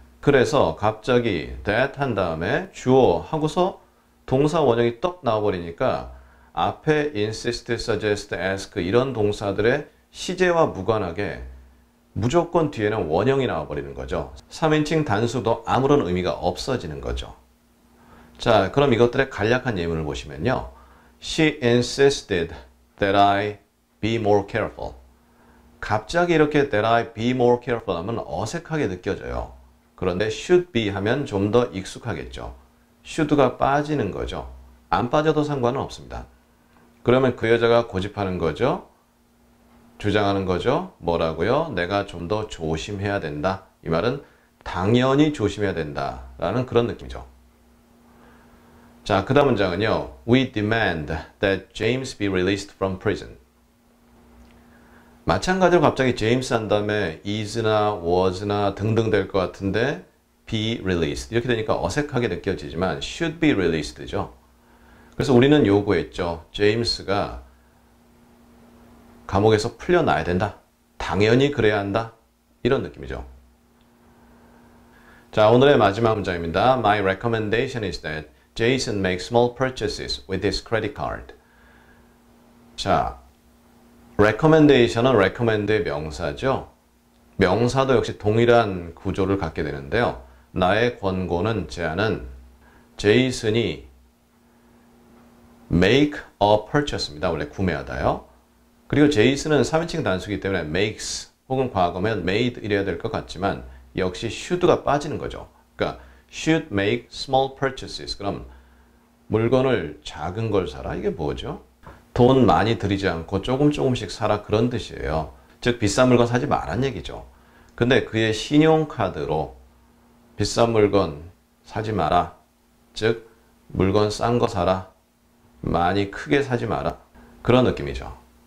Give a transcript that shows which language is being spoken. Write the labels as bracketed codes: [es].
[ko] 그래서 갑자기 that 한 다음에 주어 하고서 동사 원형이 떡 나와버리니까 앞에 insist, suggest, ask 이런 동사들의 시제와 무관하게 무조건 뒤에는 원형이 나와버리는 거죠. 3인칭 단수도 아무런 의미가 없어지는 거죠. 자, 그럼 이것들의 간략한 예문을 보시면요. [en] She insisted that I be more careful. [ko] 갑자기 이렇게 [en] that I be more careful [ko] 하면 어색하게 느껴져요. 그런데 [en] should be [ko] 하면 좀 더 익숙하겠죠. should가 빠지는 거죠. 안 빠져도 상관은 없습니다. 그러면 그 여자가 고집하는 거죠. 주장하는 거죠. 뭐라고요? 내가 좀 더 조심해야 된다. 이 말은 당연히 조심해야 된다라는 그런 느낌이죠. 자, 그 다음 문장은요. [en] We demand that James be released from prison. [ko] 마찬가지로 갑자기 James 한 다음에 is나 was나 등등 될 것 같은데 [en] be released [ko] 이렇게 되니까 어색하게 느껴지지만 [en] should be released [ko] 죠. 그래서 우리는 요구했죠. James가 감옥에서 풀려나야 된다. 당연히 그래야 한다. 이런 느낌이죠. 자, 오늘의 마지막 문장입니다. [en] My recommendation is that Jason makes small purchases with his credit card. [ko] 자, recommendation은 recommend의 명사죠. 명사도 역시 동일한 구조를 갖게 되는데요. 나의 권고는, 제안은 Jason이 [en] make a purchase [ko] 입니다. 원래 구매하다요. 그리고 Jason은 3인칭 단수이기 때문에 makes 혹은 과거면 made 이래야 될 것 같지만 역시 should가 빠지는 거죠. 그러니까 [en] should make small purchases. [ko] 그럼 물건을 작은 걸 사라? 이게 뭐죠? 돈 많이 들이지 않고 조금 조금씩 사라 그런 뜻이에요. 즉 비싼 물건 사지 말란 얘기죠. 근데 그의 신용카드로 비싼 물건 사지 마라. 즉 물건 싼 거 사라. 많이 크게 사지 마라. 그런 느낌이죠.